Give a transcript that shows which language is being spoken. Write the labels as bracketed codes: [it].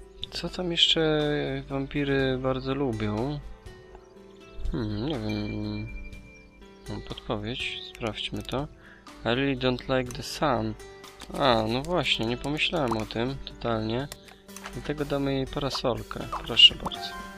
[pl] Co tam jeszcze wampiry bardzo lubią? Nie wiem. Podpowiedź, sprawdźmy to. [en] I really don't like the sun. [pl] A, no właśnie, nie pomyślałem o tym totalnie. Dlatego damy jej parasolkę, proszę bardzo.